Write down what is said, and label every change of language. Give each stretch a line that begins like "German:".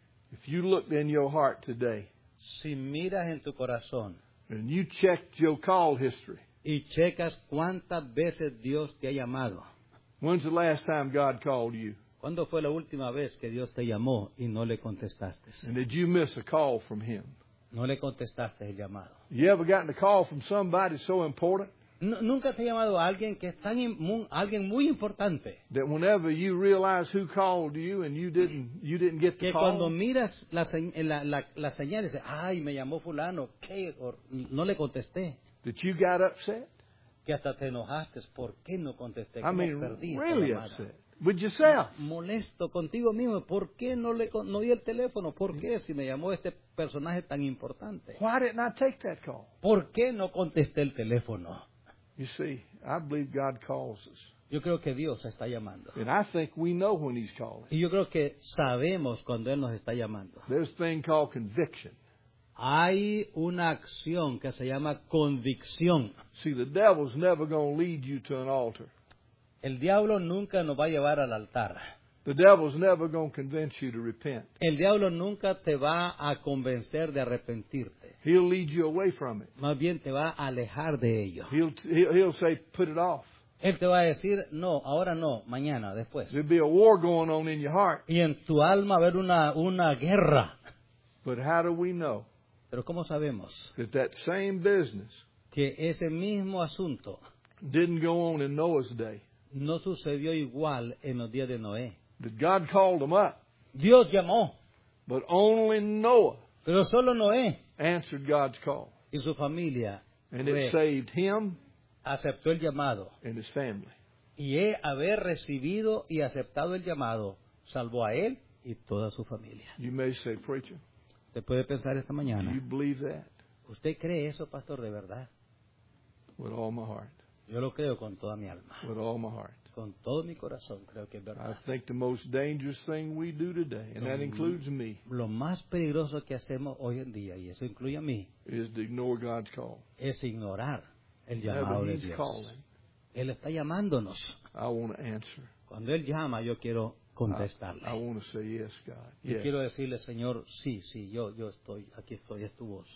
English: If you looked in your heart today,
Spanish: si miras en tu corazón,
English: and you checked your call history,
Spanish: y checas cuántas veces Dios te ha llamado,
English: when's the last time God called you?
Spanish: ¿Cuándo fue la última vez que Dios te llamó y no le contestaste?
English: And did you miss a call from him?
Spanish: No le contestaste el llamado.
English: You ever gotten a call from somebody so important?
Spanish: Nunca te ha llamado alguien que es alguien muy importante.
English: That whenever you realize who called you and you didn't get the call.
Spanish: Que cuando miras la señal y dices, ay, me llamó fulano, ¿qué? No le contesté.
English: That you got upset.
Spanish: Que hasta te enojaste, ¿por qué no contesté?
English: I mean, really upset. With yourself.
Spanish: Molesto contigo mismo, ¿por qué no di el teléfono? ¿Por qué si me llamó este personaje tan importante?
English: Why didn't I take that call?
Spanish: ¿Por qué no contesté el teléfono?
English: You see, I believe God calls us.
Spanish: Yo creo que Dios está llamando.
English: And I think we know when he's calling.
Spanish: Y yo creo que sabemos cuando él nos está llamando.
English: There's a thing called conviction.
Spanish: Hay una acción que se llama convicción.
English: See, the devil's never going to lead you to an altar.
Spanish: El diablo nunca nos va a llevar al altar.
English: The devil's never going to convince you to repent.
Spanish: El diablo nunca te va a convencer de arrepentirte.
English: He'll lead you away from it.
Spanish: Más bien te va a alejar de ello.
English: He'll say, put it off.
Spanish: Él te va a decir, no, ahora no, mañana, después.
English: There'll be a war going on in your heart.
Spanish: Y en tu alma va a haber una guerra.
English: But how do we know?
Spanish: Pero ¿cómo sabemos?
English: That same business,
Spanish: que ese mismo asunto,
English: didn't go on in Noah's day.
Spanish: No sucedió igual en los días de Noé.
English: That God called them up.
Spanish: Dios llamó.
English: But only Noah.
Spanish: Pero solo Noé.
English: Answered God's call.
Spanish: Y su familia,
English: and it saved him.
Spanish: Aceptó el llamado.
English: And his family.
Spanish: Y haber recibido y aceptado el llamado salvó a él y toda su familia.
English: You may say, preacher.
Spanish: ¿Te puede pensar esta mañana?
English: Do you believe that?
Spanish: ¿Usted cree eso, pastor, de verdad?
English: With all my heart.
Spanish: Yo lo creo con toda mi alma.
English: With all my heart.
Spanish: Con todo mi corazón, creo que es verdad.
English: I think the most dangerous thing we do today, and that includes me,
Spanish: lo más peligroso que hacemos hoy en día, y eso incluye a mí,
English: is to ignore God's call.
Spanish: Es ignorar el llamado de Dios.
English: Calling,
Spanish: él está llamándonos.
English: I want to answer.
Spanish: Cuando él llama, yo quiero contestarle.
English: I want to say yes, God.
Spanish: Yo
English: yes.
Spanish: Quiero decirle, Señor, sí, yo estoy, aquí estoy, es tu voz.